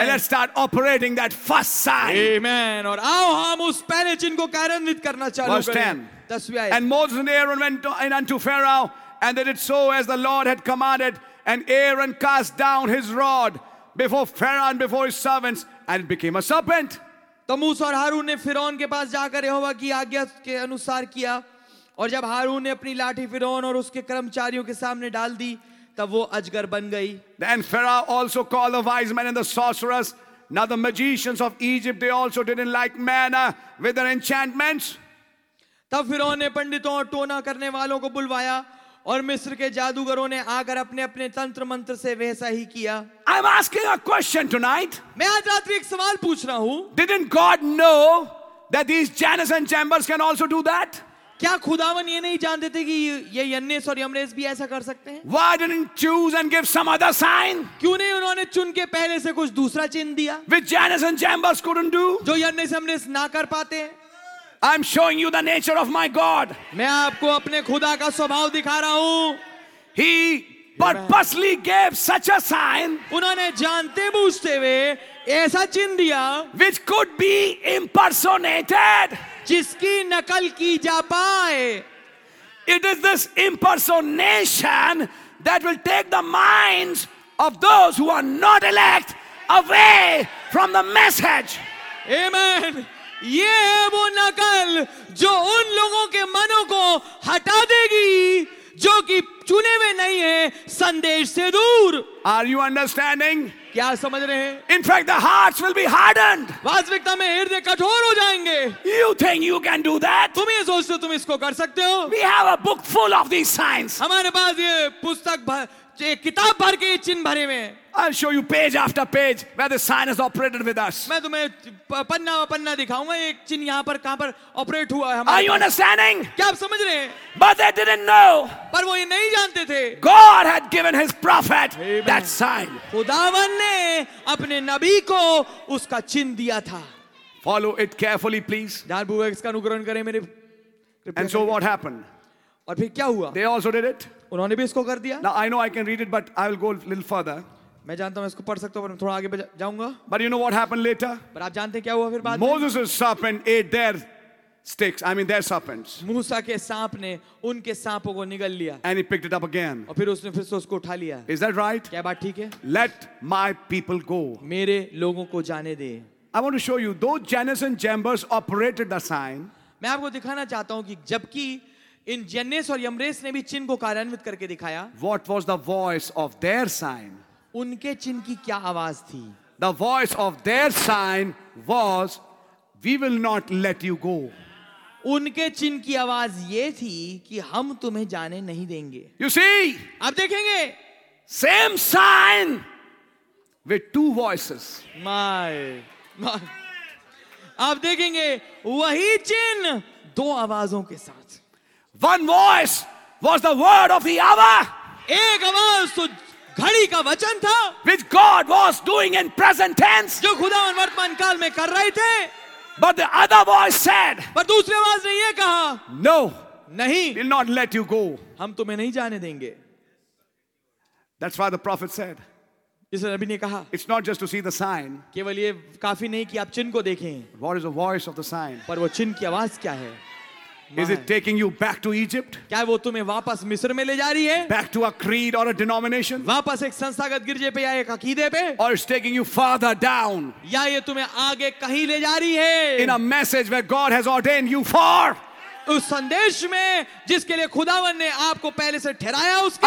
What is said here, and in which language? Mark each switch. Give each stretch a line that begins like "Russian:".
English: And let's start operating that first sign. Amen.
Hindi: और आओ हम उस पहले चिन्ह को कार्यान्वित करना चालू करें.
English: Verse 10. And Moses and Aaron went in unto Pharaoh, and they did so as the Lord had commanded, and Aaron cast down his rod before Pharaoh and before his servants, and it became a serpent.
Hindi: तो मूसा और हारून ने फिरौन के पास जाकर यहोवा की आज्ञा के अनुसार किया और जब हारून ने अपनी लाठी फिरौन और उसके कर्मचारियों के सामने डाल दी तब वो अजगर बन गई
English: Then Pharaoh also called the wise men and the sorcerers. Now the magicians of Egypt, they also did in like manner with their enchantments.
Hindi: तब फिरौन ने पंडितों और टोना करने वालों को बुलवाया और मिस्र के जादूगरों ने आकर अपने अपने तंत्र मंत्र से वैसा ही किया
English: I'm asking a question tonight.
Hindi: मैं आज रात्रि एक सवाल पूछ रहा हूँ.
English: Didn't God know that these Jannes and Jambres can also do that?
Hindi: क्या खुदावन ये नहीं जानते थे कि ये यन्नेस और यम्नेस भी ऐसा कर सकते हैं?
English: Why didn't choose and give some other sign?
Hindi: क्यों नहीं उन्होंने चुन के पहले से कुछ दूसरा चिन्ह दिया?
English: Which Jannes and Jambres couldn't do?
Hindi: जो यन्नेस यम्नेस ना कर पाते हैं.
English: I'm showing you the nature of my God.
Hindi: मैं आपको अपने खुदा का स्वभाव दिखा रहा हूँ.
English: He purposely gave such a sign.
Hindi: उन्होंने जानते बूझते हुए ऐसा चिन्ह दिया.
English: Which could be impersonated.
Hindi: जिसकी नकल की जा पाए.
English: It is this impersonation that will take the minds of those who are not elect away from the message. Amen.
Hindi: ये है वो नकल जो उन लोगों के मनों को हटा देगी जो कि चुने हुए नहीं है संदेश से दूर.
English: Are you understanding?
Hindi: क्या समझ रहे हैं?
English: In fact, the hearts will be hardened.
Hindi: वास्तविकता में हृदय कठोर हो जाएंगे.
English: You think you can do that?
Hindi: तुम ये सोचते हो तुम इसको कर सकते हो?
English: We have a book full of these signs.
Hindi: हमारे पास ये पुस्तक भर ये किताब भर के चिन्ह भरे हुए हैं.
English: I'll show you page after page where the sign has operated with us.
Hindi: मैं तुम्हें पन्ना पन्ना दिखाऊंगा एक चिन्ह यहाँ पर कहाँ पर ऑपरेट हुआ है.
English: Are you understanding?
Hindi: क्या आप समझ रहे हैं?
English: But they didn't know.
Hindi: पर वो ये नहीं जानते थे.
English: God had given his prophet that sign.
Hindi: खुदावन ने अपने नबी को उसका चिन्ह दिया था.
English: Follow it carefully, please.
Hindi: यार बुवा इसका अनुकरण करें मेरे.
English: And so what happened?
Hindi: और फिर क्या हुआ?
English: They also did it.
Hindi: उन्होंने भी इसको कर दिया.
English: Now I know I can read it, but I will go a little further.
Hindi: मैं जानता हूँ इसको पढ़ सकता हूँ पर थोड़ा आगे जाऊँगा.
English: But you know what happened later?
Hindi: पर आप जानते हैं क्या हुआ फिर बाद में?
English: Moses' serpent ate their sticks. I mean their serpents.
Hindi: मूसा के सांप ने उनके सांपों को निगल लिया.
English: And he picked it up again.
Hindi: और फिर उसने फिर से उसको उठा लिया.
English: Is that right?
Hindi: क्या बात ठीक है?
English: Let my people go.
Hindi: मेरे लोगों को जाने दे.
English: I want to show you those Jannes and Jambres operated the sign.
Hindi: मैं आपको दिखाना चाहता हूँ कि जबकि इन जन्नेस और यम्रेस ने भी चिन्ह को कार्यान्वित करके दिखाया.
English: What was the voice of their sign?
Hindi: उनके चिन्ह की क्या आवाज थी?
English: The voice of their sign was, we will not let you go.
Hindi: उनके चिन्ह की आवाज ये थी कि हम तुम्हें जाने नहीं देंगे.
English: You see?
Hindi: अब देखेंगे.
English: Same sign with two voices. My, my.
Hindi: आप देखेंगे वही चिन्ह दो आवाजों के साथ.
English: One voice was the word of the hour.
Hindi: एक आवाज तो घड़ी का वचन था.
English: Which God was doing in present tense.
Hindi: जो खुदा वर्तमान काल में कर रहे थे.
English: But the other voice said.
Hindi: पर दूसरी आवाज ने ये कहा.
English: No.
Hindi: नहीं.
English: We'll not let you go.
Hindi: हम तुम्हें नहीं जाने देंगे.
English: That's why the prophet said.
Hindi: इसे नबी ने कहा.
English: It's not just to see the sign.
Hindi: केवल ये काफी नहीं कि आप चिन्ह को देखें.
English: What is the voice of the sign?
Hindi: पर वो चिन्ह की आवाज क्या है?
English: Is it taking you back to Egypt?
Hindi: क्या वो तुम्हें वापस मिस्र में ले जा रही है?
English: Back to a creed or a denomination?
Hindi: वापस एक संस्थागत गिरजे पे या एक अकीदे पे?
English: Or is taking you farther down?
Hindi: या ये तुम्हें आगे कहीं ले जा रही है?
English: In a message where God has ordained you for?
Hindi: उस संदेश में जिसके लिए खुदावन ने आपको पहले से ठहराया उसके.